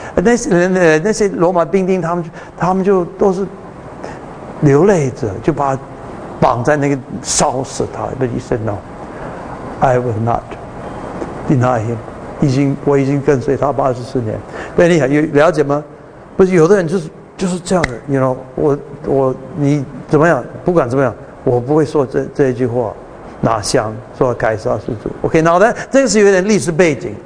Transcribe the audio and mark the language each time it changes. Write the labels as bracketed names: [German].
[Chinese] 那些罗马兵丁他们就都是流泪着，就把他绑在那个烧死他。 [English] But he said no, I will not deny him. [Chinese] 我已经跟随他84年。 [English] But anyhow, [Chinese] 有了解吗？不是，有的人就是这样的。 [English] You know, [Chinese] 我你怎么样？不管怎么样，我不会说这一句话。哪像说凯撒是主 ？OK， 那好的，这个是有点历史背景。